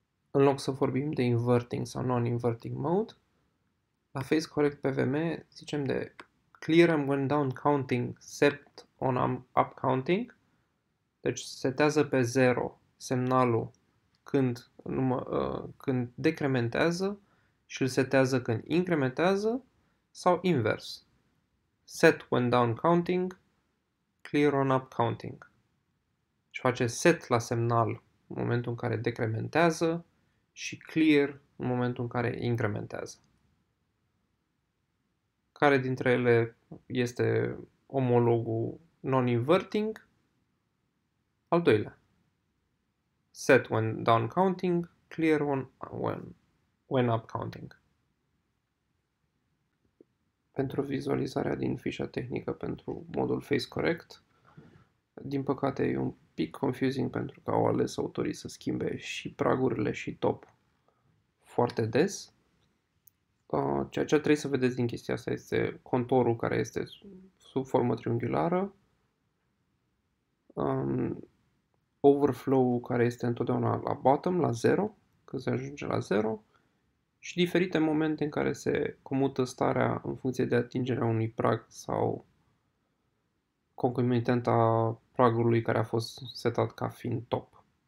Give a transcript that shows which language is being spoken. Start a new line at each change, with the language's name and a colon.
Romanian: În loc să vorbim de inverting sau non-inverting mode, la phase correct PWM zicem de
English: clear and when down counting set on up counting,
Romanian: deci setează pe 0 semnalul când decrementează și îl setează când incrementează sau invers.
English: Set when down counting, clear on up counting.
Romanian: Și face set la semnal în momentul în care decrementează și clear în momentul în care incrementează. Care dintre ele este omologul non-inverting? Al doilea.
English: Set when down counting, clear when up counting.
Romanian: Pentru vizualizarea din fișa tehnică pentru modul phase correct, din păcate e un pic confusing pentru că au ales autorii să schimbe și pragurile și top foarte des. Ceea ce trebuie să vedeți din chestia asta este contorul care este sub formă triunghiulară, overflow-ul care este întotdeauna la bottom, la 0, când se ajunge la 0, și diferite momente în care se comută starea în funcție de atingerea unui prag sau concomitenta pragului care a fost setat ca fiind top.